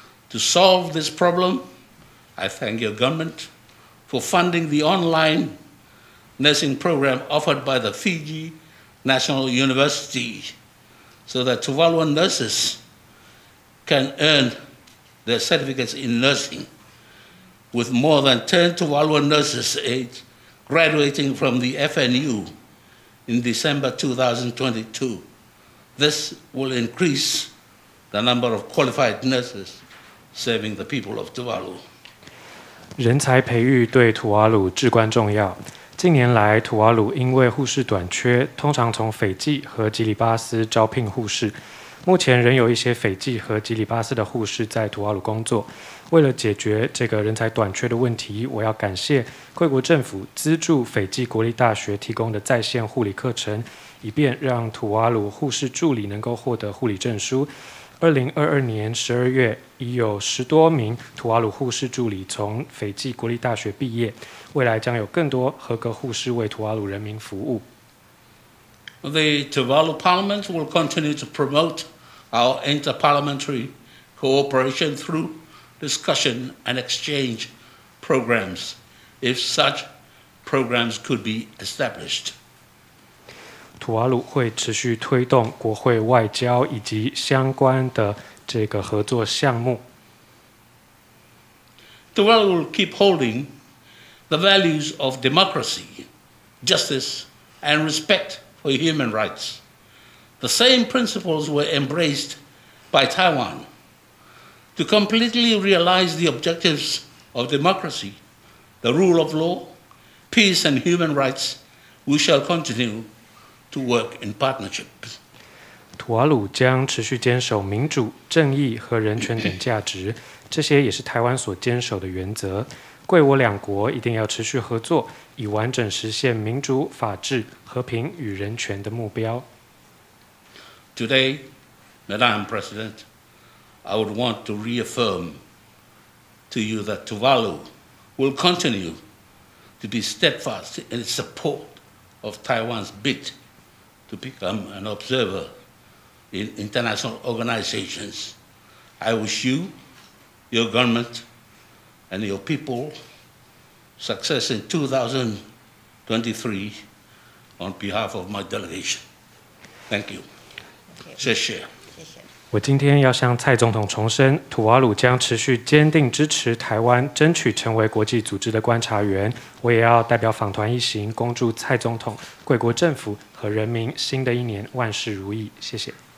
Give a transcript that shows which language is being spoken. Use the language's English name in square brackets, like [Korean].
[English] To solve this problem, I thank your government for funding the online nursing program offered by the Fiji National University so that Tuvaluan nurses can earn their certificates in nursing, with more than 10 Tuvaluan nurses aged graduating from the FNU in December 2022. This will increase the number of qualified nurses serving the people of Tuvalu. [Chinese] 人才培育对吐瓦魯至关重要。近年来，吐瓦魯因为护士短缺，通常从斐济和吉里巴斯招聘护士。目前仍有一些斐济和吉里巴斯的护士在吐瓦魯工作。为了解决这个人才短缺的问题，我要感谢贵国政府资助斐济国立大学提供的在线护理课程，以便让吐瓦魯护士助理能够获得护理证书。 2022年12月，已有十多名吐瓦魯护士助理从斐济国立大学毕业，未来将有更多合格护士为吐瓦魯人民服务。 [English] The Tuvalu Parliament will continue to promote our inter-parliamentary cooperation through discussion and exchange programs, if such programs could be established. [Chinese] 吐瓦魯会持续推动国会外交以及相关的这个合作项目。 [English] Tuvalu will keep holding the values of democracy, justice, and respect for human rights. The same principles were embraced by Taiwan. To completely realize the objectives of democracy, the rule of law, peace, and human rights, we shall continue to work in partnership. [Chinese] 吐瓦魯将持续坚守民主、正义和人权等价值，这些也是台湾所坚守的原则。贵我两国一定要持续合作，以完整实现民主、法治、和平与人权的目标。 [English] Today, Madam President, I would want to reaffirm to you that Tuvalu will continue to be steadfast in support of Taiwan's bid to become an observer in international organizations. I wish you, your government,and your people success in 2023 on behalf of my delegation. Thank you. [Chinese] 谢谢。我今天要向蔡总统重申，吐瓦魯将持续坚定支持台湾争取成为国际组织的观察员。我也要代表访团一行恭祝蔡总统、贵国政府和人民新的一年万事如意。谢谢。